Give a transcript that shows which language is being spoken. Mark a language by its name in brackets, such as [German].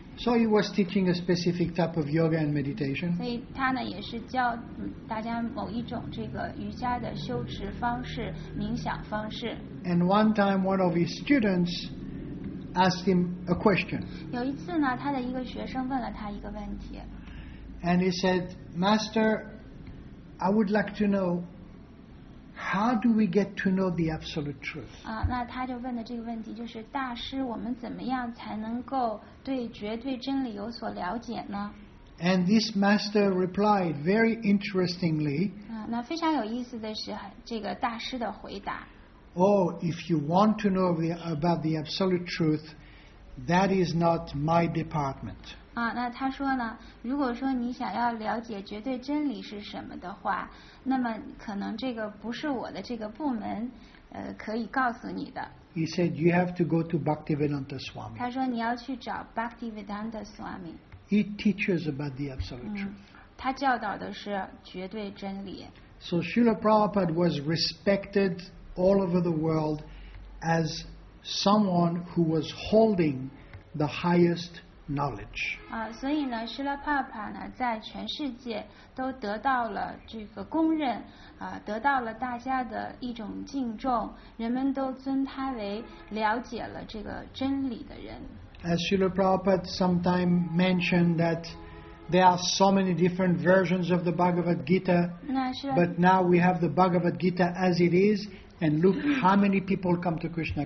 [English] So he was teaching a specific type of yoga and meditation. [Chinese] 所以他呢也是教大家某一种这个瑜伽的修持方式，冥想方式。 [English] And one time, one of his students asked him a question. [Chinese] 有一次呢，他的一个学生问了他一个问题。 [English] And he said, "Master, I would like to know." How do we get to know the absolute truth? [Chinese] 那他就问的这个问题就是大师，我们怎么样才能够对绝对真理有所了解呢？ [English] And this master replied very interestingly. [Chinese] 那非常有意思的是这个大师的回答。 [English] Oh, if you want to know about the absolute truth, that is not my department. [Chinese] 那他说呢，如果说你想要了解绝对真理是什么的话。那么可能这个不是我的这个部门，可以告诉你的。 [English] He said you have to go to Bhaktivedanta Swami. [Chinese] 他说你要去找 Bhaktivedanta Swami. [English] He teaches about the absolute truth. [Chinese] 他教导的是绝对真理。 [English] So Srila Prabhupada was respected all over the world as someone who was holding the highest. Knowledge. [Chinese] 所以呢，释迦帕帕呢，在全世界都得到了这个公认，得到了大家的一种敬重，人们都尊他为了解了这个真理的人。 [English] As Srila Prabhupada sometime mentioned that There are so many different versions of the Bhagavad Gita, but now we have the Bhagavad Gita as it is, and look how many people come to Krishna